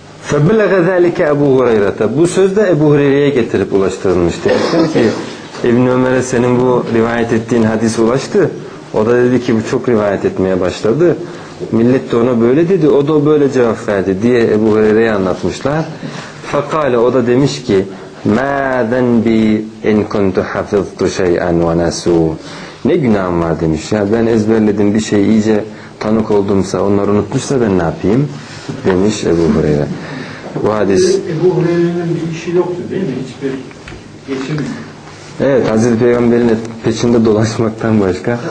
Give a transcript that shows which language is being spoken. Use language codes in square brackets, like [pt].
[ar] فَبِلَغَ ذَٰلِكَ اَبُوْ هُرَيْرَةَ. [tr] Bu söz de Ebu Hureyre'ye getirip ulaştırılmıştı. Dedi ki İbn Ömer'e senin bu rivayet ettiğin hadis ulaştı. O da dedi ki bu çok rivayet etmeye başladı. Millet de ona böyle dedi. O da böyle cevap verdi diye Ebu Hureyre'ye anlatmışlar. [ar] فَقَالَ. [tr] O da demiş ki [ar] مَا ذَنْبِي اِنْ كُنْتُ حَفِظْتُ شَيْئًا وَنَسُوا. [tr] Ne günahım var demiş. Ya ben ezberledim bir şey iyice tanık olduğumsa onlar unutmuşsa ben ne yapayım? Demiş Ebu Hureyre. Bu hadis. Ebu Hureyre'nin bir işi yoktu değil mi? Hiçbir geçim. Evet, Hazreti Peygamber'in peçinde dolaşmaktan başka.